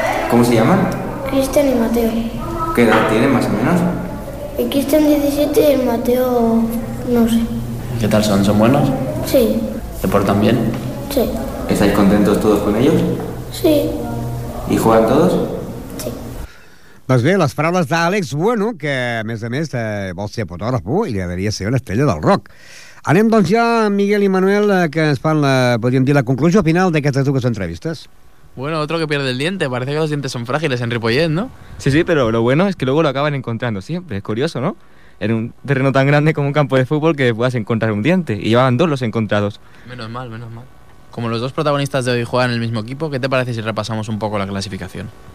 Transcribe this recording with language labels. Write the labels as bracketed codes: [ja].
[es] ¿Cómo se llaman? Cristian y Mateo. ¿Qué edad tienen, más o menos? El Cristian 17 y el Mateo... no sé. ¿Qué tal son? ¿Son buenos? Sí. ¿Te portan bien? Sí. ¿Estáis contentos todos con ellos? Sí. ¿Y juegan todos? Sí. [ca] Doncs bé, les paraules d'Àlex Bueno, que a més vol ser fotògraf i li agradaria ser una estrella del rock. Anem doncs ja amb Miguel i Manuel, que ens fan la, podríem dir, la conclusió final d'aquestes dues entrevistes. [es] Bueno, otro que pierde el diente. Parece que los dientes son frágiles en Ripollet, ¿no? Sí, sí, pero lo bueno es que luego lo acaban encontrando siempre. Es curioso, ¿no? En un terreno tan grande como un campo de fútbol que puedas encontrar un diente. Y llevaban 2 los encontrados. Menos mal, menos mal. Como los 2 protagonistas de hoy juegan en el mismo equipo, ¿qué te parece si repasamos un poco la clasificación?